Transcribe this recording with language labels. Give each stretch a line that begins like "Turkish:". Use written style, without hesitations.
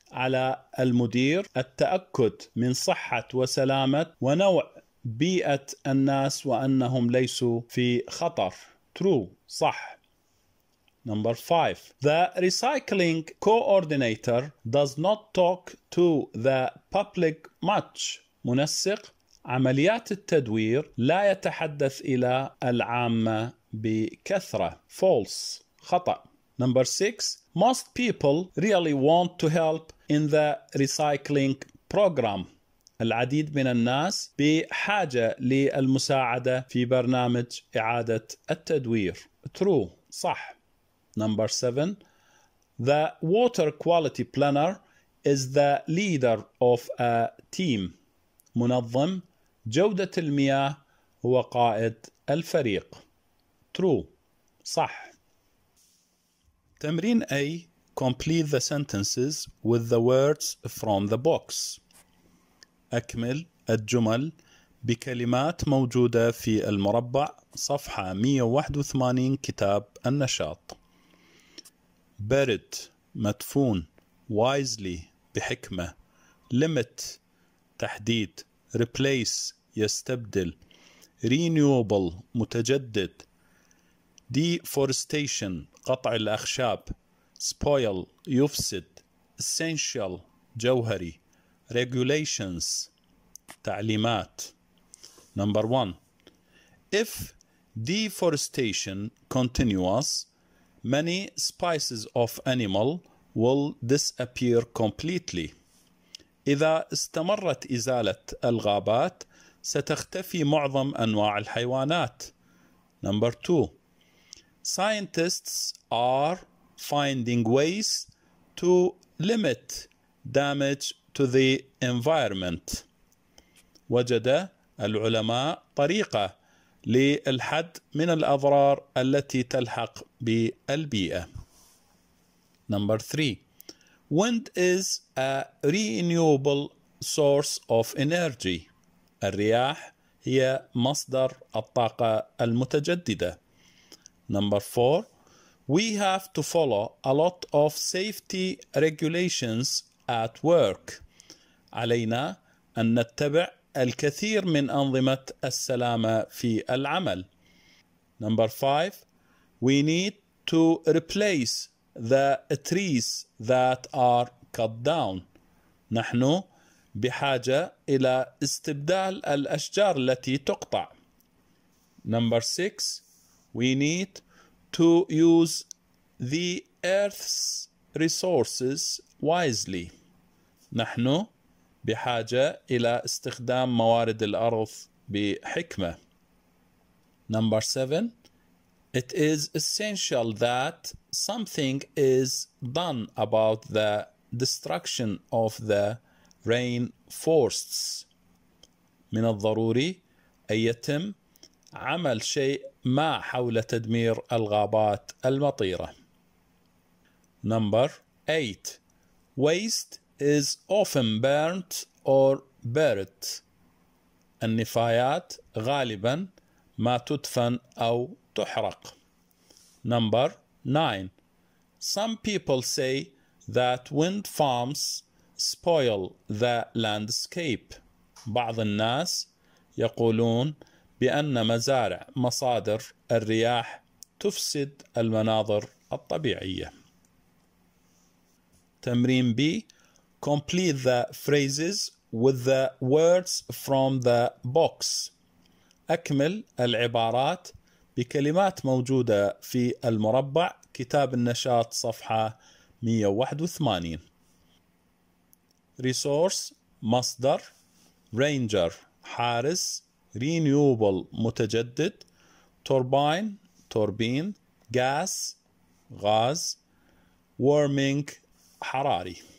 Arabic: على المدير التأكد من صحة وسلامة ونوع بيئة الناس وأنهم ليسوا في خطر.
English: True.
Arabic: صح.
English: Number five. The recycling coordinator does not talk to the public much.
Arabic: منسق عمليات التدوير لا يتحدث إلى العامة بكثرة.
English: False.
Arabic: خطأ.
English: Number six. Most people really want to help in the recycling program.
Arabic: العديد من الناس بحاجة للمساعدة في برنامج إعادة التدوير.
English: True.
Arabic: صح.
English: Number seven, the water quality planner is the leader of a team.
Arabic: منظم جودة المياه هو قائد الفريق.
English: True,
Arabic: صح. تمرين
English: A, complete the sentences with the words from the box.
Arabic: أكمل الجمل بكلمات موجودة في المربع صفحة 181 كتاب النشاط. برد مدفون wisely بحكمة limit تحديد replace يستبدل renewable متجدد
English: deforestation قطع الأخشاب spoil يفسد essential جوهري regulations تعليمات number one if deforestation continues Many species of animal will disappear completely.
Arabic: إذا استمرت إزالة الغابات ستختفي معظم أنواع الحيوانات.
English: Number two. Scientists are finding ways to limit damage to the environment.
Arabic: وجد العلماء طريقة للحد من الأضرار التي تلحق بالبيئة.
English: Number three. Wind is a renewable source of energy.
Arabic: الرياح هي مصدر الطاقة المتجددة.
English: Number four. We have to follow a lot of safety regulations at work.
Arabic: علينا أن نتبع الكثير من أنظمة السلامة في العمل.
English: Number five, we need to replace the trees that are cut down.
Arabic: نحن بحاجة إلى استبدال الأشجار التي تقطع.
English: Number six, we need to use the earth's resources wisely.
Arabic: نحن بحاجة إلى استخدام موارد الأرض بحكمة.
English: Number seven. It is essential that something is done about the destruction of the rainforests.
Arabic: من الضروري أن يتم عمل شيء ما حول تدمير الغابات المطيرة.
English: Number 8. Waste is often burnt or buried.
Arabic: النفايات غالبا ما تدفن أو تحرق.
English: Number 9. Some people say that wind farms spoil the landscape.
Arabic: بعض الناس يقولون بأن مزارع مصادر الرياح تفسد المناظر الطبيعية. تمرين B.
English: Complete the phrases with the words from the box.
Arabic: أكمل العبارات بكلمات موجودة في المربع كتاب النشاط صفحة 181.
English: Resource مصدر Ranger حارس Renewable متجدد Turbine توربين Gas غاز Warming حراري.